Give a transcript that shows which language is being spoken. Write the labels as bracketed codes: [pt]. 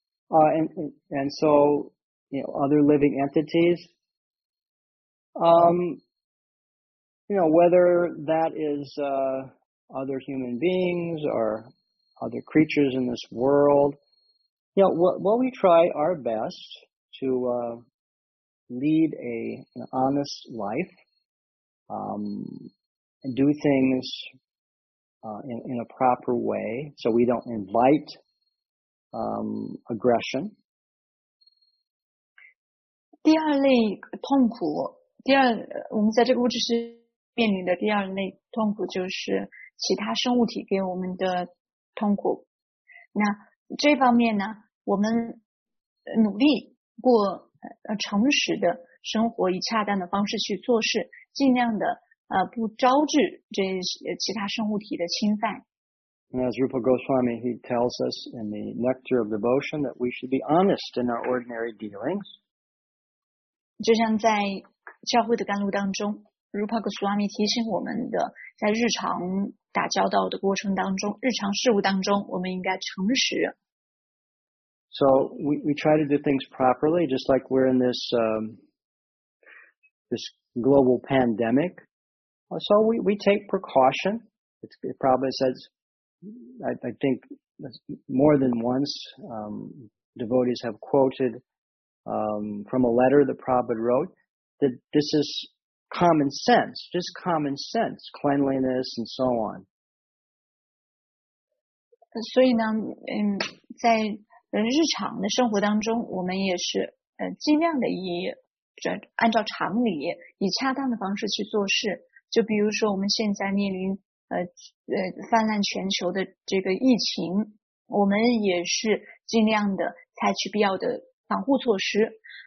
[en] And so, you know, other living entities, you know, whether that is other human beings or other creatures in this world, you know, what we try our best to lead an honest life. And do things in a proper way so we don't invite aggression. [zh] 第二类痛苦，我们在这个物质世界面临的第二类痛苦就是其他生物体给我们的痛苦。那这方面呢，我们努力过诚实的生活，以恰当的方式去做事，尽量的不招致这些其他生物体的侵犯。 [en] And as Rupa Goswami, he tells us in the Nectar of Devotion that we should be honest in our ordinary dealings. [zh] 就像在教会的甘露当中 ，Rupa Goswami 提醒我们的，在日常打交道的过程当中，日常事务当中，我们应该诚实。 [en] So we try to do things properly, just like we're in this this global pandemic. So we take precaution. It probably says. I think more than once, devotees have quoted from a letter the Prabhupada wrote that this is common sense, just common sense, cleanliness and so on. [zh] 所以呢，在日常的生活当中，我们也是尽量的以按照常理以恰当的方式去做事。就比如说我们现在面临。泛滥全球的这个疫情，我们也是尽量的采取必要的防护措施。